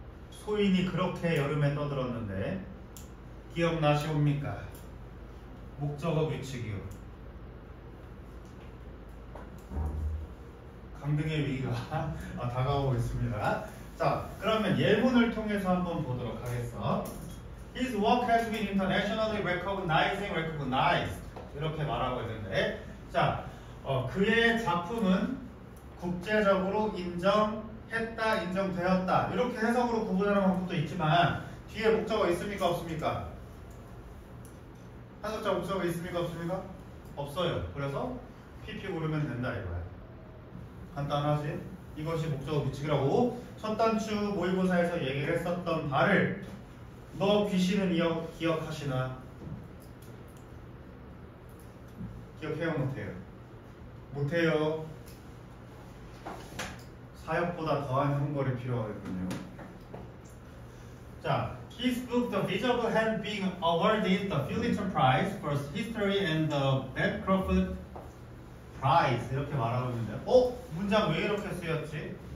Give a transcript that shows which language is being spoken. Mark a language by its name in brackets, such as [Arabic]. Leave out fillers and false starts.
[Korean] 소인이 그렇게 여름에 떠들었는데 기억나시옵니까? 목적어 규칙이요. 강등의 위기가 다가오고 있습니다. 자, 그러면 예문을 통해서 한번 보도록 하겠어. [English] His work has been internationally recognized. [Korean] 이렇게 말하고 있는데, 자, 그의 작품은 국제적으로 인정했다, 인정되었다. 이렇게 해석으로 구분하는 방법도 있지만, 뒤에 목적어 있습니까, 없습니까? 해석자 목적어 있습니까, 없습니까? 없어요. 그래서 PP 고르면 된다, 이거야. 간단하지? 이것이 목적어 규칙이라고 첫 단추 모의고사에서 얘기를 했었던 바를 너 귀신은 기억하시나? 기억해요, 못해요? 못해요. 사역보다 더한 형벌이 필요하겠군요. [English] 자, His book The Visible Hand being awarded the Pulitzer Prize for History and the Bancroft [Korean] prize 이렇게 말하고 있는데 어? 문장 왜 이렇게 쓰였지?